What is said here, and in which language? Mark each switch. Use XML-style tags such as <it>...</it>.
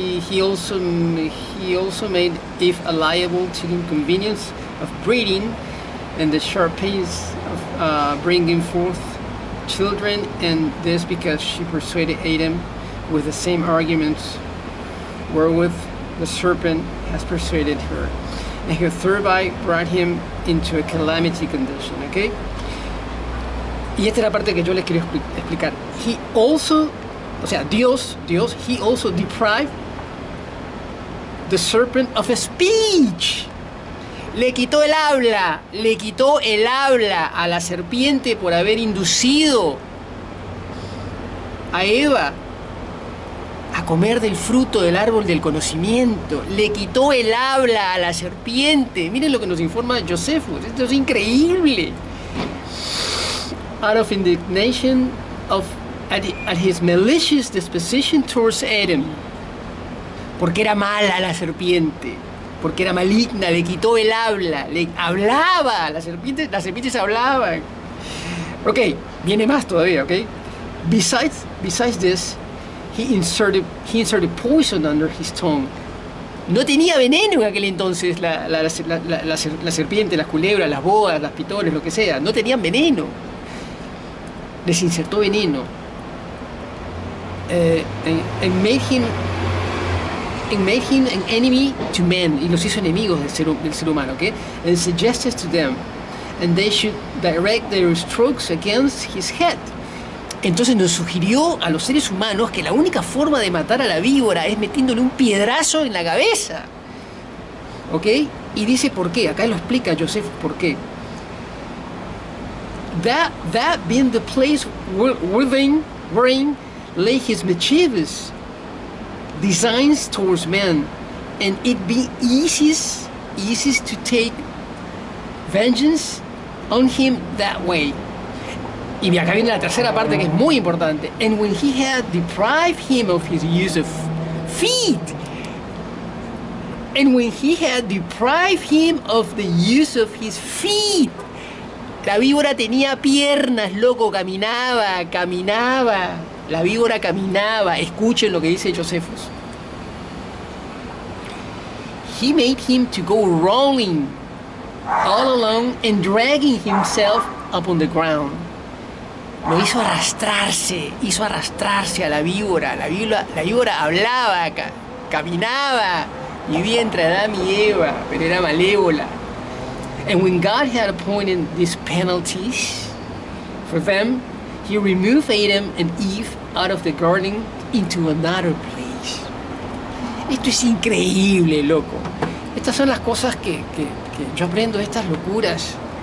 <en>He also made, if a liable to the inconvenience of breeding and the sharp pains of bringing forth children, and this because she persuaded Adam with the same arguments wherewith the serpent has persuaded her, and her thereby brought him into a calamity condition. Okay?</en> <es>Y esta es la parte que yo les quería explicar.</es> <en>He also,</en> <es>o sea, Dios,</es> <en>he also deprived the serpent of speech.</en> <es>Le quitó el habla a la serpiente por haber inducido a Eva a comer del fruto del árbol del conocimiento. Le quitó el habla a la serpiente. Miren lo que nos informa Josefus. Esto es increíble.</es> <en>Out of indignation at his malicious disposition towards Adam.</en> <es>Porque era mala la serpiente, porque era maligna, le quitó el habla, le hablaba, las serpientes hablaban. Ok, viene más todavía, ok.</es> <en>Besides this, he inserted poison under his tongue.</en> <es>No tenía veneno en aquel entonces la serpiente, las culebras, las boas, las pitones, lo que sea, no tenían veneno. Les insertó veneno.</es> <en>And made him an enemy to men,</en> <es>y los hizo enemigos del ser humano, ¿ok?</es> <en>And suggested to them, and they should direct their strokes against his head.</en> <es>Entonces nos sugirió a los seres humanos que la única forma de matar a la víbora es metiéndole un piedrazo en la cabeza, ¿ok? Y dice por qué, acá lo explica Joseph por qué.</es> <en>That being the place wherein lay his mischievous designs towards men, and it be easiest to take vengeance on him that way.</en> <es>Y acá viene la tercera parte que es muy importante.</es> <en>And when he had deprived him of his use of feet, and when he had deprived him of the use of his feet,</en> <es>la víbora tenía piernas, loco, caminaba. La víbora caminaba. Escuchen lo que dice Josefus.</es> <en>He made him to go rolling all along and dragging himself upon the ground.</en> <es>Lo hizo arrastrarse a la víbora. La víbora hablaba, caminaba, y vi entre Adán y Eva, pero era malévola.</es> <en>And when God had appointed these penalties for them, he removed Adam and Eve out of the garden into another place.</en> <es>Esto es increíble, loco. Estas son las cosas que yo aprendo, estas locuras.</es>